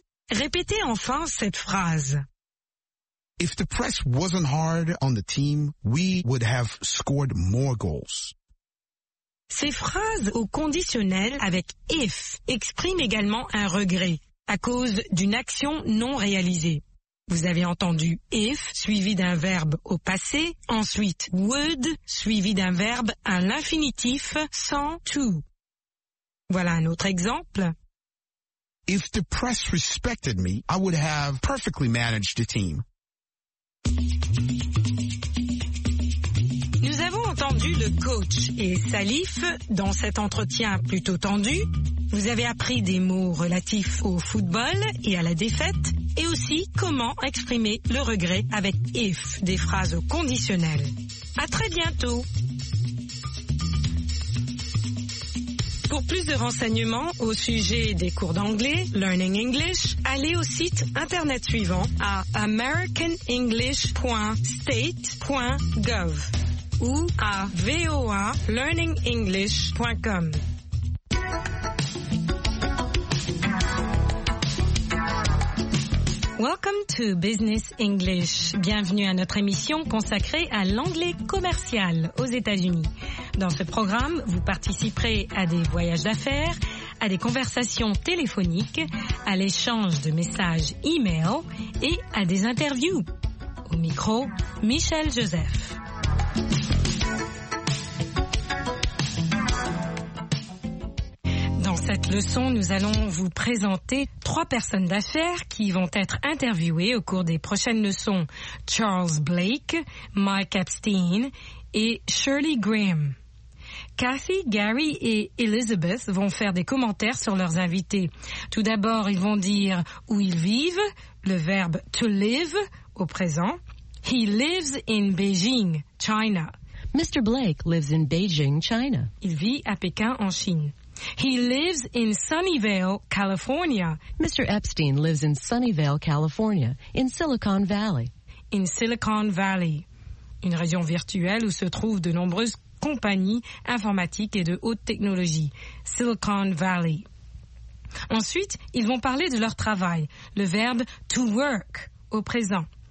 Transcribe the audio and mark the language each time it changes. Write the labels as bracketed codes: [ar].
[fr] Répétez enfin cette phrase. [en] If the press wasn't hard on the team, we would have scored more goals. [fr] Ces phrases au conditionnel avec if expriment également un regret à cause d'une action non réalisée. Vous avez entendu if suivi d'un verbe au passé, ensuite would suivi d'un verbe à l'infinitif sans to. Voilà un autre exemple. [en] If the press respected me, I would have perfectly managed the team. [fr] Nous avons entendu le coach et Salif dans cet entretien plutôt tendu. Vous avez appris des mots relatifs au football et à la défaite et aussi comment exprimer le regret avec if, des phrases conditionnelles. À très bientôt. Pour plus de renseignements au sujet des cours d'anglais, Learning English, allez au site internet suivant à americanenglish.state.gov ou à voalearningenglish.com. [en] Welcome to Business English. [fr] Bienvenue à notre émission consacrée à l'anglais commercial aux États-Unis. Dans ce programme, vous participerez à des voyages d'affaires, à des conversations téléphoniques, à l'échange de messages e-mail et à des interviews. Au micro, Michel Joseph. Cette leçon, nous allons vous présenter trois personnes d'affaires qui vont être interviewées au cours des prochaines leçons. Charles Blake, Mike Epstein et Shirley Graham. Kathy, Gary et Elizabeth vont faire des commentaires sur leurs invités. Tout d'abord, ils vont dire où ils vivent, le verbe to live au présent. [en] He lives in Beijing, China. Mr. Blake lives in Beijing, China. [fr] Il vit à Pékin en Chine. [en] He lives in Sunnyvale, California. Mr. Epstein lives in Sunnyvale, California, in Silicon Valley. [fr] In Silicon Valley, une région virtuelle où se trouvent de nombreuses compagnies informatiques et de haute technologie. Silicon Valley. Ensuite, ils vont parler de leur travail, le verbe to work au présent.